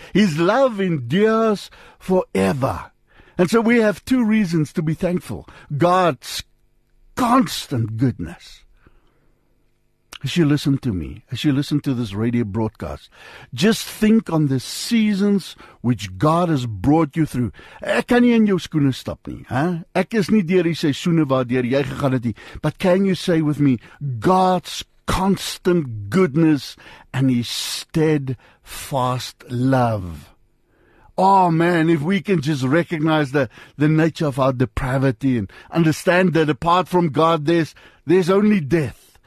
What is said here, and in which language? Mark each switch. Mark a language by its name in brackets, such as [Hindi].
[English] His love endures forever. And so we have two reasons to be thankful. God's constant goodness. As you listen to me, as you listen to this radio broadcast, just think on the seasons which God has brought you through. [Afrikaans] Ek kan nie in jou skoene stap nie. Ek is nie deur die seisoene waardeur jy gegaan het nie. [English] But can you say with me, God's constant goodness and his steadfast love. Oh man, if we can just recognize the nature of our depravity and understand that apart from God, there's only death.